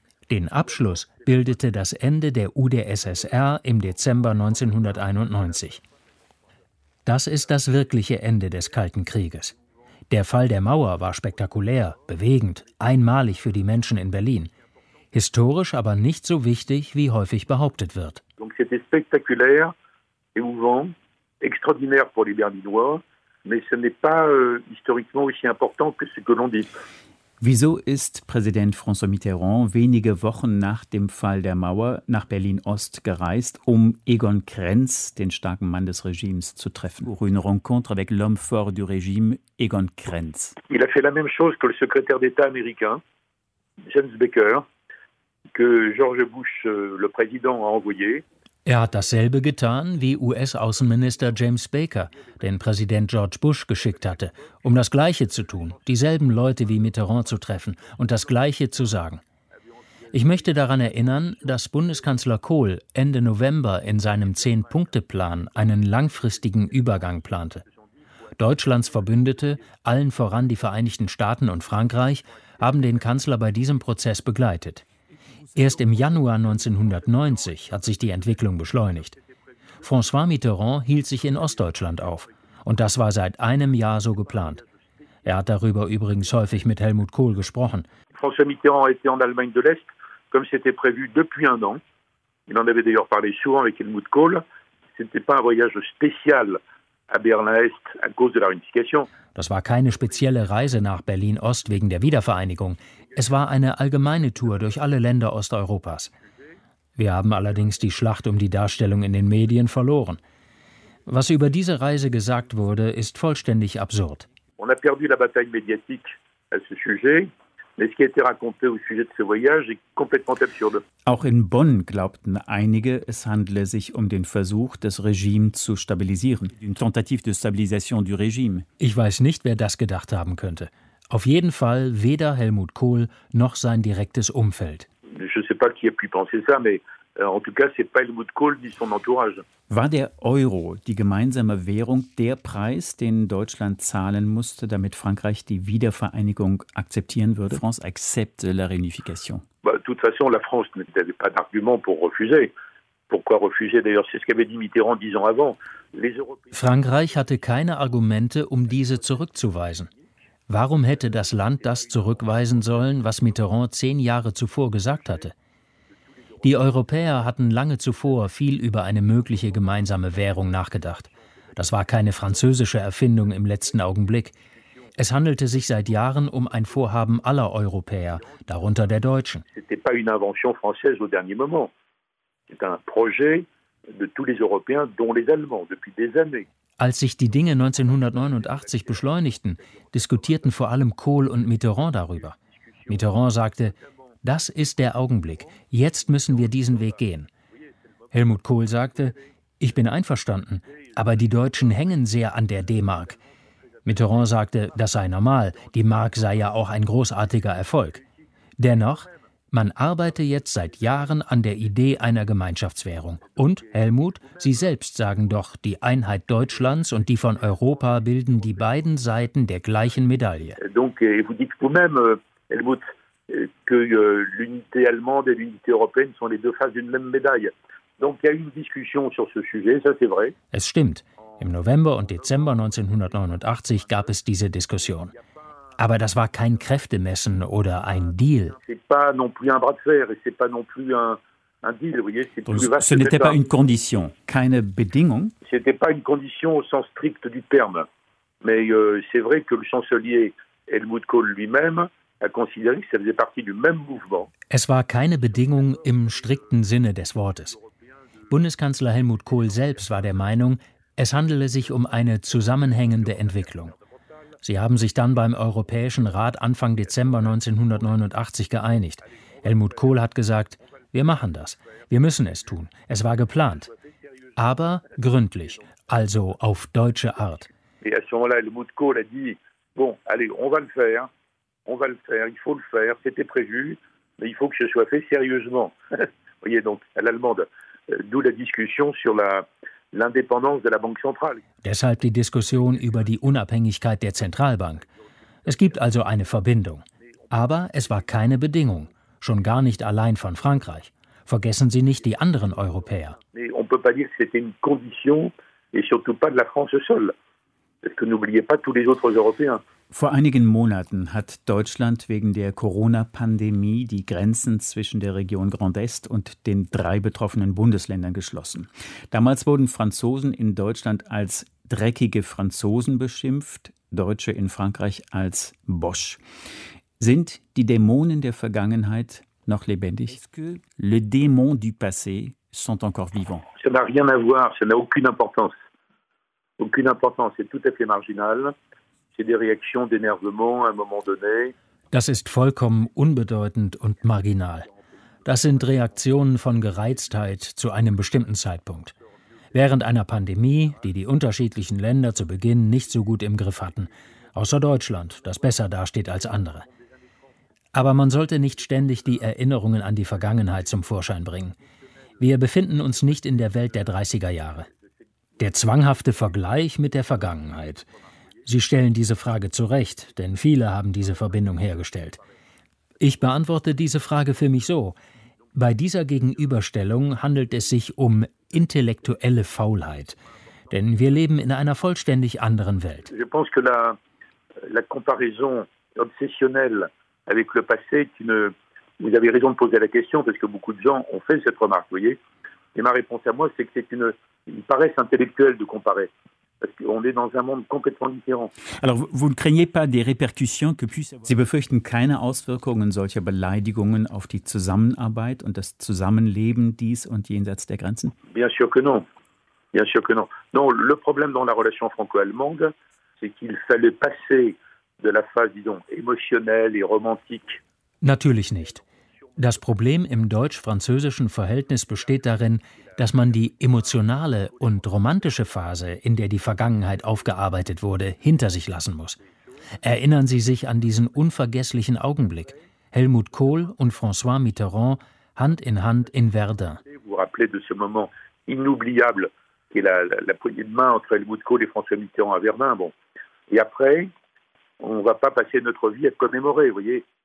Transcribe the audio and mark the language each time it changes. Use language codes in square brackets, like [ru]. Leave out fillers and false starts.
[de] Den Abschluss bildete das Ende der UdSSR im Dezember 1991. Das ist das wirkliche Ende des Kalten Krieges. Der Fall der Mauer war spektakulär, bewegend, einmalig für die Menschen in Berlin. Historisch aber nicht so wichtig, wie häufig behauptet wird. [fr] Donc c'était spectaculaire. Émouvant, extraordinaire pour les Berlinois, mais ce n'est pas historiquement aussi important que ce que l'on dit. [de] Wieso ist Präsident François Mitterrand wenige Wochen nach dem Fall der Mauer nach Berlin-Ost gereist, um Egon Krenz, den starken Mann des Regimes, zu treffen? [fr] Une rencontre avec l'homme fort du régime, Egon Krenz. Il a fait la même chose que le secrétaire d'État américain, James Baker, que George Bush, le président, a envoyé. [de] Er hat dasselbe getan wie US-Außenminister James Baker, den Präsident George Bush geschickt hatte, um das Gleiche zu tun, dieselben Leute wie Mitterrand zu treffen und das Gleiche zu sagen. Ich möchte daran erinnern, dass Bundeskanzler Kohl Ende November in seinem 10-Punkte-Plan einen langfristigen Übergang plante. Deutschlands Verbündete, allen voran die Vereinigten Staaten und Frankreich, haben den Kanzler bei diesem Prozess begleitet. Erst im Januar 1990 hat sich die Entwicklung beschleunigt. François Mitterrand hielt sich in Ostdeutschland auf. Und das war seit einem Jahr so geplant. Er hat darüber übrigens häufig mit Helmut Kohl gesprochen. [fr] François Mitterrand était en Allemagne de l'Est, comme c'était prévu depuis un an. Il en avait d'ailleurs parlé souvent avec Helmut Kohl. C'était pas un voyage spécial à Berlin-Est à cause de la réunification. [de] Das war keine spezielle Reise nach Berlin-Ost wegen der Wiedervereinigung. Es war eine allgemeine Tour durch alle Länder Osteuropas. Wir haben allerdings die Schlacht um die Darstellung in den Medien verloren. Was über diese Reise gesagt wurde, ist vollständig absurd. [fr] On a perdu la bataille médiatique à ce sujet, mais ce qui a été raconté au sujet de ce voyage est complètement absurde. [de] Auch in Bonn glaubten einige, es handle sich um den Versuch, das Regime zu stabilisieren. [fr] Une tentative de stabilisation du régime. [de] Ich weiß nicht, wer das gedacht haben könnte. Auf jeden Fall weder Helmut Kohl noch sein direktes Umfeld. [fr] Je sais pas qui a pu penser ça, mais en tout cas, c'est pas Helmut Kohl ni son entourage. [de] War der Euro, die gemeinsame Währung, der Preis, den Deutschland zahlen musste, damit Frankreich die Wiedervereinigung akzeptieren würde? [fr] France accepte la réunification. Bah, de toute façon, la France n'avait pas d'argument pour refuser. Pourquoi refuser? D'ailleurs, c'est ce qu'avait dit Mitterrand 10 ans avant. [de] Frankreich hatte keine Argumente, um diese zurückzuweisen. Warum hätte das Land das zurückweisen sollen, was Mitterrand 10 Jahre zuvor gesagt hatte? Die Europäer hatten lange zuvor viel über eine mögliche gemeinsame Währung nachgedacht. Das war keine französische Erfindung im letzten Augenblick. Es handelte sich seit Jahren um ein Vorhaben aller Europäer, darunter der Deutschen. Es war keine [fr] Invention française au dernier [de] Moment. Es war ein Projekt [fr] de tous les Européens, dont les Allemands, depuis des années. [de] Als sich die Dinge 1989 beschleunigten, diskutierten vor allem Kohl und Mitterrand darüber. Mitterrand sagte, das ist der Augenblick, jetzt müssen wir diesen Weg gehen. Helmut Kohl sagte, ich bin einverstanden, aber die Deutschen hängen sehr an der D-Mark. Mitterrand sagte, das sei normal, die Mark sei ja auch ein großartiger Erfolg. Dennoch, man arbeite jetzt seit Jahren an der Idee einer Gemeinschaftswährung. Und, Helmut, Sie selbst sagen doch, die Einheit Deutschlands und die von Europa bilden die beiden Seiten der gleichen Medaille. [fr] Donc, vous dites vous-même, Helmut, que l'unité allemande et l'unité européenne sont les deux faces d'une même médaille. Donc, il y a une discussion sur ce sujet, ça c'est vrai. [de] Es stimmt. Im November und Dezember 1989 gab es diese Diskussion. Aber das war kein Kräftemessen oder ein Deal. [fr] C'est pas non plus un bras de fer et c'est pas non plus un deal, vous voyez, c'est plus vaste. Ce n'était pas une condition, [de] keine Bedingung. [fr] C'était pas une condition au sens strict du terme. Mais c'est vrai que le chancelier Helmut Kohl lui-même a considéré que ça faisait partie du même mouvement. [de] Es war keine Bedingung im strikten Sinne des Wortes. Bundeskanzler Helmut Kohl selbst war der Meinung, es handele sich um eine zusammenhängende Entwicklung. Sie haben sich dann beim Europäischen Rat Anfang Dezember 1989 geeinigt. Helmut Kohl hat gesagt, wir machen das. Wir müssen es tun. Es war geplant. Aber gründlich, also auf deutsche Art. [fr] Et à ce moment-là, Helmut Kohl a dit, bon, allez, on va le faire. On va le faire, il faut le faire. C'était prévu, mais il faut que ce soit fait sérieusement. Vous voyez, donc, à l'allemande, d'où la discussion sur la... L'indépendance de la Banque centrale. [de] Deshalb die Diskussion über die Unabhängigkeit der Zentralbank. Es gibt also eine Verbindung. Aber es war keine Bedingung. Schon gar nicht allein von Frankreich. Vergessen Sie nicht die anderen Europäer. [fr] Mais on peut pas dire que c'était une condition et surtout pas de la France seule. Parce que n'oubliez pas tous les autres Européens. [de] Vor einigen Monaten hat Deutschland wegen der Corona-Pandemie die Grenzen zwischen der Region Grand Est und den 3 betroffenen Bundesländern geschlossen. Damals wurden Franzosen in Deutschland als dreckige Franzosen beschimpft, Deutsche in Frankreich als Bosch. Sind die Dämonen der Vergangenheit noch lebendig? [fr] Le démon du passé sont encore vivants. Ça n'a rien à voir, ça n'a aucune importance. Aucune importance, c'est tout à fait marginal. C'est des réactions d'énervement à un moment donné. [de] Das ist vollkommen unbedeutend und marginal. Das sind Reaktionen von Gereiztheit zu einem bestimmten Zeitpunkt. Während einer Pandemie, die die unterschiedlichen Länder zu Beginn nicht so gut im Griff hatten. Außer Deutschland, das besser dasteht als andere. Aber man sollte nicht ständig die Erinnerungen an die Vergangenheit zum Vorschein bringen. Wir befinden uns nicht in der Welt der 30er Jahre. Der zwanghafte Vergleich mit der Vergangenheit. Sie stellen diese Frage zu Recht, denn viele haben diese Verbindung hergestellt. Ich beantworte diese Frage für mich so. Bei dieser Gegenüberstellung handelt es sich um intellektuelle Faulheit. Denn wir leben in einer vollständig anderen Welt. [fr] Je pense que la comparaison obsessionnelle avec le passé, vous avez raison de poser la question, parce que beaucoup de gens ont fait cette remarque, vous voyez. Et ma réponse à moi, c'est que c'est une paresse intellectuelle de comparer. Also, vous craignez pas des répercussions que puisse avoir. [de] Sie befürchten keine Auswirkungen solcher Beleidigungen auf die Zusammenarbeit und das Zusammenleben dies und jenseits der Grenzen? [fr] Bien sûr que non. Bien sûr que non. Non, le problème dans la relation franco-allemande, c'est qu'il fallait passer de la phase, disons, émotionnelle et romantique. [de] Natürlich nicht. Das Problem im deutsch-französischen Verhältnis besteht darin, dass man die emotionale und romantische Phase, in der die Vergangenheit aufgearbeitet wurde, hinter sich lassen muss. Erinnern Sie sich an diesen unvergesslichen Augenblick. Helmut Kohl und François Mitterrand Hand in Hand in Verdun. [fr] Vous vous rappelez de ce moment inoubliable qui est la poignée de main entre Helmut Kohl et François Mitterrand à Verdun. Bon. Et après, on va pas passer notre vie à commémorer, voyez.